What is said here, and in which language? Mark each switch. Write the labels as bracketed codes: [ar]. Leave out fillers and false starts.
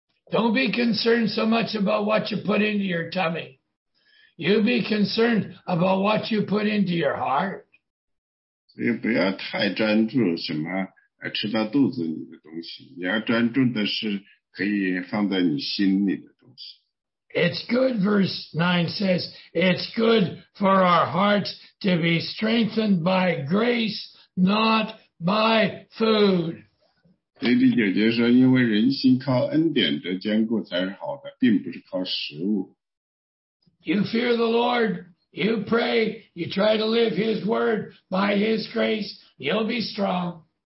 [en] Don't be concerned so much about what you put into your tummy. You be concerned about what you put into your heart. [zh] 所以不要太专注什么吃到肚子里的东西，你要专注的是可以放在你心里的东西。 [en] It's good, verse 9 says, it's good for our hearts to be strengthened by grace, not by food. [zh] 所以第九节说，因为人心靠恩典得坚固才是好的，并不是靠食物。 [en] You fear the Lord. You pray, you try to live His word by His grace, you'll be strong.